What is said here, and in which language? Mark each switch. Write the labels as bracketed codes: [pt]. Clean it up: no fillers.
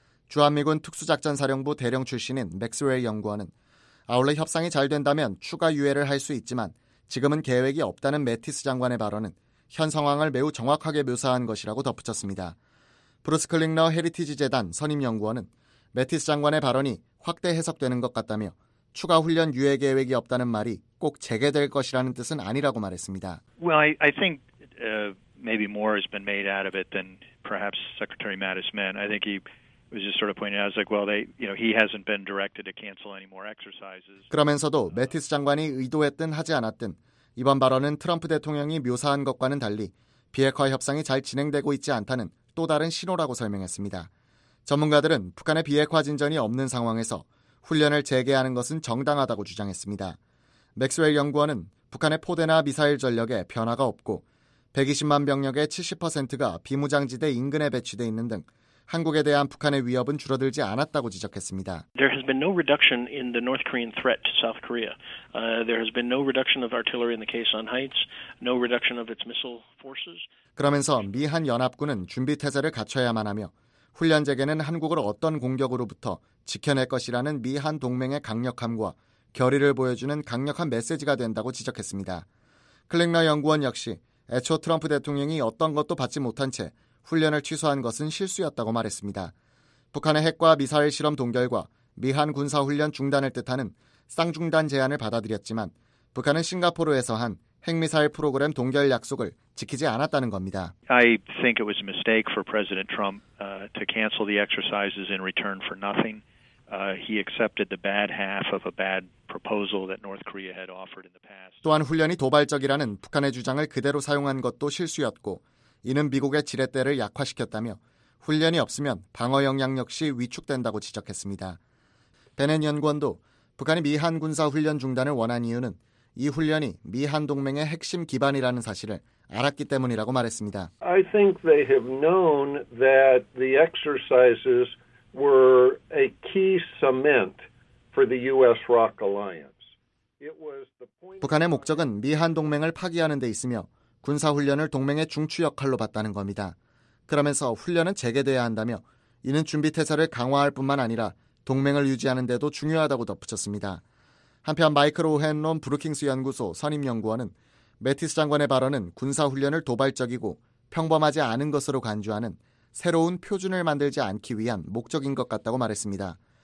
[ko] 주한미군 특수작전사령부 대령 출신인 맥스웰 연구원은 아울러 협상이 잘 된다면 추가 유예를 할 수 있지만 지금은 계획이 없다는 매티스 장관의 발언은 현 상황을 매우 정확하게 묘사한 것이라고 덧붙였습니다. 브루스 클링너 헤리티지 재단 선임연구원은 매티스 장관의 발언이 확대 해석되는 것 같다며 추가 훈련 유예 계획이 없다는 말이 꼭 재개될 것이라는 뜻은 아니라고 말했습니다. [en] Well, I think maybe more has been made out of it than perhaps Secretary Mattis meant. I think he was just sort of pointing out, like, well, they, you know, he hasn't been directed to cancel any more exercises. [ko] 그러면서도 매티스 장관이 의도했든 하지 않았든 이번 발언은 트럼프 대통령이 묘사한 것과는 달리 비핵화 협상이 잘 진행되고 있지 않다는 또 다른 신호라고 설명했습니다. 전문가들은 북한의 비핵화 진전이 없는 상황에서 훈련을 재개하는 것은 정당하다고 주장했습니다. 맥스웰 연구원은 북한의 포대나 미사일 전력에 변화가 없고 120만 병력의 70%가 비무장지대 인근에 배치돼 있는 등 한국에 대한 북한의 위협은 줄어들지 않았다고 지적했습니다. [en] There has been no reduction in the North Korean threat to South Korea. There has been no reduction of artillery in the Kaesong Heights, no reduction of its missile forces. [ko] 그러면서 미한 연합군은 준비 태세를 갖춰야만 하며 훈련 재개는 한국을 어떤 공격으로부터 지켜낼 것이라는 미한 동맹의 강력함과 결의를 보여주는 강력한 메시지가 된다고 지적했습니다. 클링너 연구원 역시 애초 트럼프 대통령이 어떤 것도 받지 못한 채 훈련을 취소한 것은 실수였다고 말했습니다. 북한의 핵과 미사일 실험 동결과 미한 군사 훈련 중단을 뜻하는 쌍중단 제안을 받아들였지만 북한은 싱가포르에서 한 핵미사일 프로그램 동결 약속을 지키지 않았다는 겁니다. [en] I think it was a mistake for President Trump to cancel the exercises in return for nothing. He accepted the bad half of a bad proposal that North Korea had offered in the past. [ko] 또한 훈련이 도발적이라는 북한의 주장을 그대로 사용한 것도 실수였고 이는 미국의 지렛대를 약화시켰다며 훈련이 없으면 방어 역량 역시 위축된다고 지적했습니다. 베넨 연구원도 북한이 미한 군사 훈련 중단을 원한 이유는 이 훈련이 미한 동맹의 핵심 기반이라는 사실을 알았기 때문이라고 말했습니다. [en] I think they have known that the exercises were a key cement for the US-ROK alliance. It was the point [ko] 북한의 목적은 미한 동맹을 파기하는 데 있으며 군사 훈련을 동맹의 중추 역할로 봤다는 겁니다. 그러면서 훈련은 재개돼야 한다며 이는 준비 태세를 강화할 뿐만 아니라 동맹을 유지하는 데도 중요하다고 덧붙였습니다. 한편 마이클 오헨론 브루킹스 연구소 선임연구원은 매티스 장관의 발언은 군사훈련을 도발적이고 평범하지 않은 것으로 간주하는 새로운 표준을 만들지 않기 위한 목적인 것 같다고 말했습니다.